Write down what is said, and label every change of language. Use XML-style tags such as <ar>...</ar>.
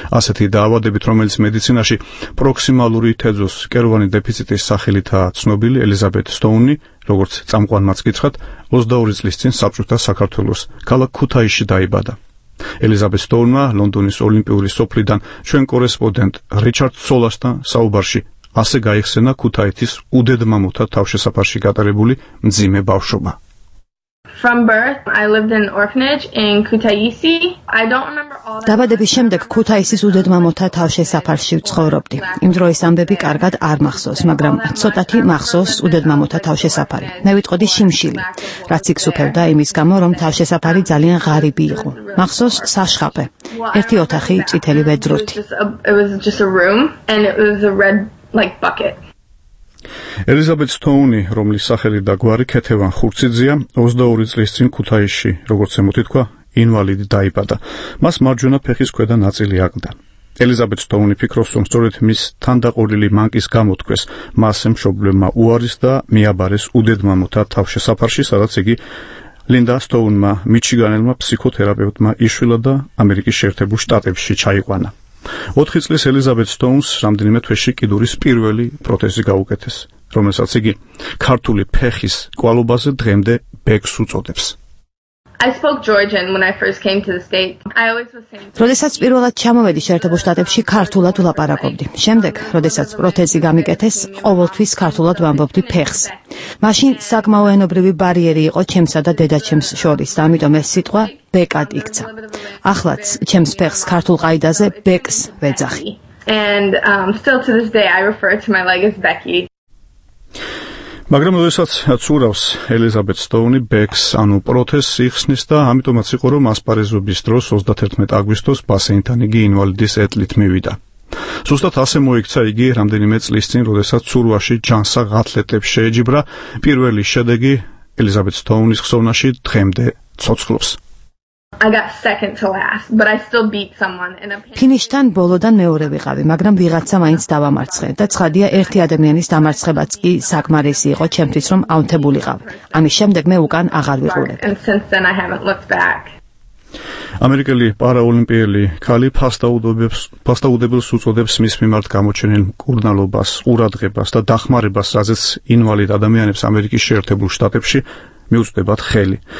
<ka>ასეთი დაავადებით, რომელიც მედიცინაში პროქსიმალური თეძოს კერვანი დეფიციტის სახელითაა ცნობილი, ელიზაბეთ სტოუნი, როგორც წამყვანმაც კითხათ, 22 წლის წინ საბჭოთა საქართველოს ქალაქ ქუთაისში დაიბადა. ელიზაბეთ სტოუნმა ლონდონის ოლიმპიური სოფლიდან ჩვენ კორესპონდენტ რიჩარდ სოლასთან საუბარში ასე გაიხსენა ქუთაითის უდედმამოთა თავშესაფარში გატარებული მძიმე ბავშვობა.</ka> <en>From birth I lived in an orphanage in Kutaisi. I don't remember all that.</en> <ka>დაბადების შემდეგ ქუთაისის უდედმამოთა თავშესაფარში ვცხოვრობდი. იმ დროის ამბები კარგად არ მახსოვს, მაგრამ ცოტათი მახსოვს უდედმამოთა თავშესაფარი. მე ვიტყოდი შიმშილი, რაც იქ სუფევდა იმის გამო, რომ თავშესაფარი ძალიან ღარიბი იყო. მახსოვს საშხაპე, ერთი ოთახი წითელი ვედრუთი.</ka> <en>It was just a room and it was a red like bucket.</en> <ka>ელიზაბეთ სტოუნი, რომლის სახელი და გვარი ქეთევან ხურციძია, 22 წლის წინ ქუთაისში, როგორც ემოთ ითქვა, ინვალიდი დაიბადა. მას მარჯვენა ფეხის ქვედა ნაწილი აკლდა. ელიზაბეთ სტოუნი ფიქრობს, რომ სწორედ მის თანდაყოლილი მანკის გამო თქვეს მასე მშობლებმა უარის და მიაბარეს უდედმამოთა თავშესაფარში, სადაც იგი ლინდა სტოუნმა, მიჩიგანელმა ფსიქოთერაპევტმა იშვილა და ამერიკის შეერთებულ შტატებში ჩაიყვანა. 4 წლის ელიზაბეთ სტოუნს რამდენიმე თვეში კიდურის პირველი პროთეზი გაუკეთეს, რომელსაც იგი ქართული ფეხის კვალობაზე დღემდე ბექს უწოდებს.</ka> <en>I spoke Georgian when I first came to the state. I always was saying.</en> <ka>როდესაც პირველად ჩამოვედი შეერთებულ შტატებში, ქართულად ვლაპარაკობდი. შემდეგ, როდესაც პროთეზი გამიკეთეს, ყოველთვის ქართულად ვამბობდი ფეხს. მაშინ საკმაო ენობრივი ბარიერი იყო ჩემსა და დედაჩემს შორის, ამიტომ ეს სიტყვა ბეკად იქცა. ახლაც ჩემს ფეხს ქართულ ყაიდაზე ბექს ვეძახი.</ka> <en>And still to this day I refer to my leg as Becky.</en> <ka>მაგრამ როდესაც ცურავს ელიზაბეთ სტოუნი ბექს, ანუ პროთეზს იხსნის და ამიტომაც იყო, რომ ასპარეზობის დროს 31 აგვისტოს ბასეინთან იგი ინვალიდის ეტლით მივიდა. ზუსტად ასე მოიქცა იგი რამდენიმე წლის წინ, როდესაც ცურვაში ჯანსაღ ათლეტებს შეეჯიბრა. პირველი შედეგი ელიზაბეთ სტოუნის ხსოვნაში დღემდე ცოცხლობს.</ka> <en>I got second to last, but I still beat someone in a pain.</en> <ka>ფინიშთან ბოლოდან მეორე ვიყავი, მაგრამ ვიღაცა მაინც დავამარცხე და ცხადია, ერთი ადამიანის დამარცხებაც კი საკმარისი იყო ჩემთვის, რომ აუნთებულიყავ. ამის შემდეგ მე უკან აღარ ვიყურებ. ამერიკელი პარაოლიმპიელი ქალი ფასდაუდებელს უწოდებს მის მიმართ გამოჩენილ მკურნალობას, ყურადღებას და დახმარებას, რაზეც ინვალიდ ადამიანებს ამერიკის შეერთებულ შტატებში მიუწვდებათ ხელი.</ka>